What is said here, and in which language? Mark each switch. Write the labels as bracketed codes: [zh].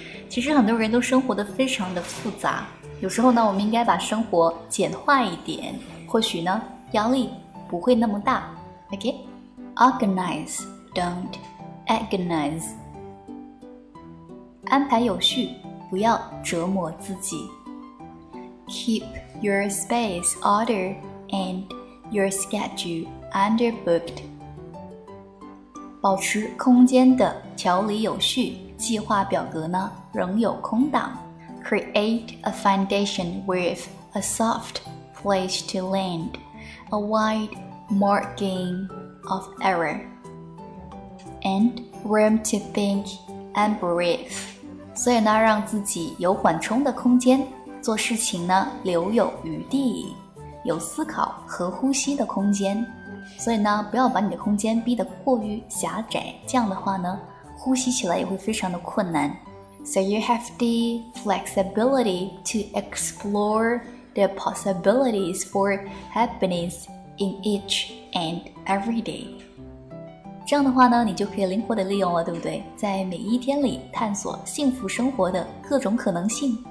[zh] 其实很多人都生活得非常的复杂，有时候呢，我们应该把生活简化一点，或许呢，压力不会那么大。 [en] Okay? Organize, don't agonize. [zh] 安排有序，不要折磨自己。 [en] Keep your space ordered and your schedule underbooked. [zh] 保持空间的条理有序。计划表格呢仍有空档。 [en] Create a foundation with a soft place to land, a wide margin of error, and room to think and breathe. [zh] 所以呢让自己有缓冲的空间，做事情呢留有余地，有思考和呼吸的空间。所以呢不要把你的空间逼得过于狭窄，这样的话呢呼吸起来也会非常的困难。 [en] So you have the flexibility to explore the possibilities for happiness in each and every day. [zh] 这样的话呢，你就可以灵活的利用了，对不对？在每一天里探索幸福生活的各种可能性。